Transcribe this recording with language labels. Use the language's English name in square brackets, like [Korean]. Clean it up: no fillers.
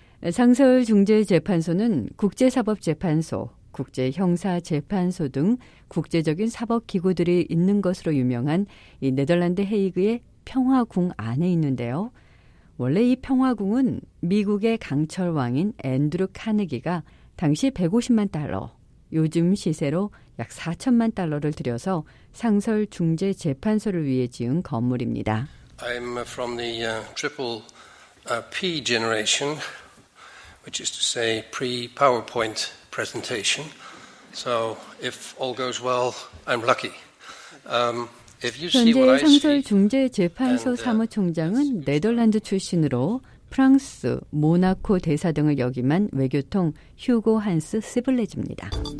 [Korean] 상설중재재판소는 국제사법재판소, 국제형사재판소 등 국제적인 사법기구들이 있는 것으로 유명한 이 네덜란드 헤이그의 평화궁 안에 있는데요. 원래 이 평화궁은 미국의 강철왕인 앤드루 카네기가 당시 150만 달러, 요즘 시세로 약 4천만 달러를 들여서 상설 중재 재판소를 위해 지은 건물입니다. [English] I'm from the PPP generation, which is to say pre-PowerPoint presentation. So if all goes well, I'm lucky. [Korean] 현재 상설 중재 재판소 사무총장은 네덜란드 출신으로 프랑스, 모나코 대사 등을 역임한 외교통 휴고 한스 시블레즈입니다.